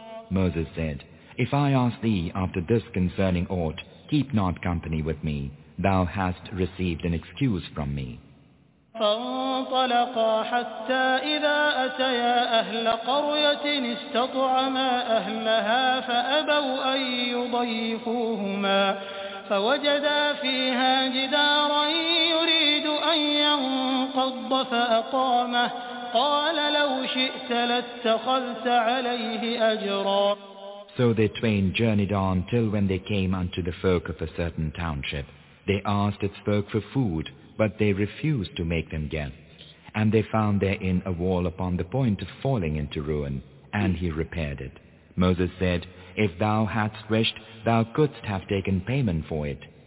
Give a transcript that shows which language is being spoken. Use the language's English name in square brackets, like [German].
[English] Moses said, If I ask thee after this concerning aught, keep not company with me. Thou hast received an excuse from me. [Arabic] فانطلقا حتى إذا أتيا أهل قرية استطعما أهلها فأبوا أن يضيفوهما فوجدا فيها جدارا يريد أن ينقض فأقامه قال لو شئت لاتخذت عليه أجرا. [English] So they twain journeyed on till when they came unto the folk of a certain township. They asked its folk for food, but they refused to make them guests. And they found therein a wall upon the point of falling into ruin, and he repaired it. Moses said, If thou hadst wished, thou couldst have taken payment for it.